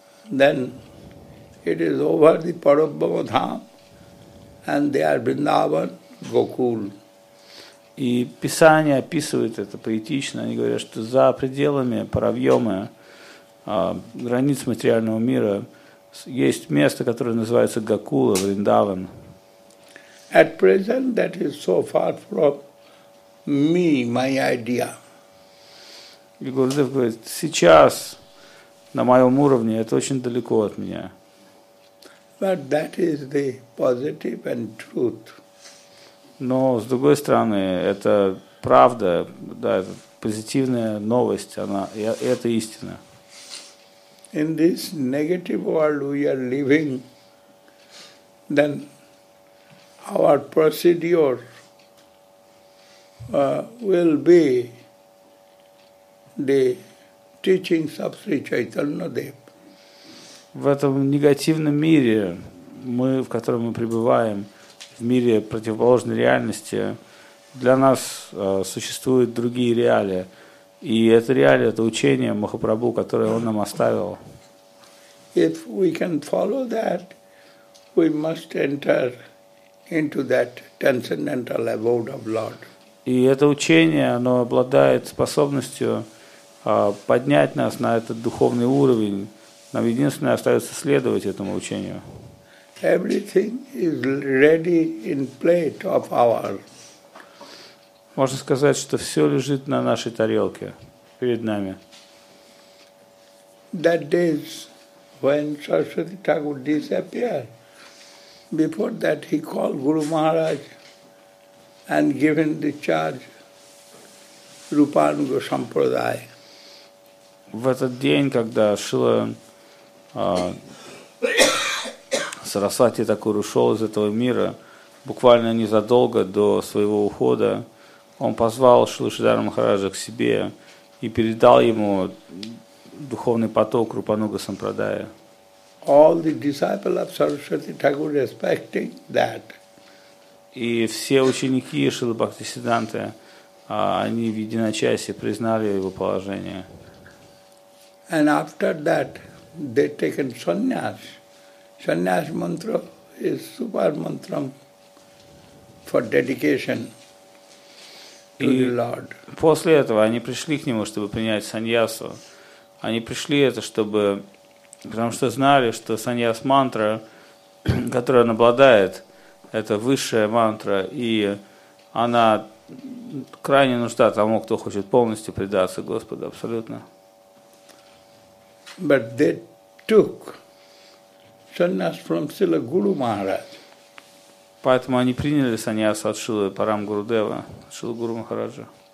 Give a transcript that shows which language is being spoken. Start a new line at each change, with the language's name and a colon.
English: Then it is over the Parabrahma dham and there Vrindavan Gokul.
Russian: И Писание описывает это поэтично. Они говорят, что за пределами Паравьёмы, границ материального мира, есть место, которое называется Гокула, Вриндаван.
English: At present, that is so far from me, my idea.
Russian: И Гурдев говорит, сейчас на моем уровне это очень далеко от меня.
English: But that is the positive and truth.
Russian: Но, с другой стороны, это правда, да, это позитивная новость, она, и это истина.
English: In this negative world we are living, then our procedure will be the teachings of Sri Chaitanya Dev.
Russian: В этом негативном мире, мы, в котором мы пребываем, в мире противоположной реальности, для нас существуют другие реалии. И это реалия, это учение Махапрабху, которое он нам оставил.
English: If we can follow that, we must enter into that transcendental abode of Lord.
Russian: И это учение, оно обладает способностью поднять нас на этот духовный уровень. Нам единственное остается следовать этому учению.
English: Everything is ready in plate of ours.
Russian: Можно сказать, что все лежит на нашей тарелке перед нами.
English: That day when Saraswati Thakur disappeared, before that he called Guru Maharaj and given the charge Rupanuga Sampradaya.
Russian: В этот день, когда Шила Сарасвати Такур ушел из этого мира, буквально незадолго до своего ухода, он позвал Шрилу Шридхара Махараджа к себе и передал ему духовный поток Рупануга Сампрадая.
English: All the disciples of Saraswati Thakur respecting that.
Russian: И все ученики Шрилы Бхактисиддханты, они в единочасье признали его положение.
English: And after that, they taken sannyas. Sannyas mantra is super mantra for dedication to the Lord.
Russian: После этого они пришли к нему, чтобы принять саньясу. Они пришли это, чтобы, потому что знали, что саньяс мантра, которую он обладает, это высшая мантра, и она крайне нужна тому, кто хочет полностью предаться Господу, абсолютно.
English: But they took sannyas from Srila Guru Maharaj.
Russian: Поэтому они приняли саньяс от Шрилы Парам Гурудева, Шрилы Гуру Махараджа.